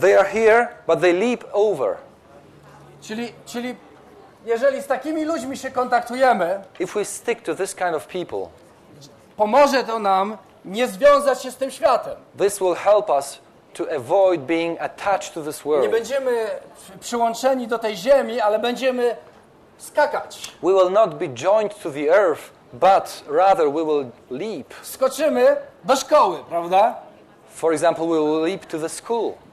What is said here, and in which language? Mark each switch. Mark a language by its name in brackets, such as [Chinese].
[English] They are here, but they leap over. [Polish] Czyli jeżeli z takimi ludźmi się kontaktujemy, [English] if we stick to this kind of people, [Polish] pomoże to nam nie związać się z tym światem. [English] This will help us to avoid being attached to this world. [Polish] Nie będziemy przyłączeni do tej ziemi, ale będziemy skakać. [English] We will not be joined to the earth, but rather we will leap. [Polish] Skoczymy do szkoły, prawda? [English] For example, we will leap to the school.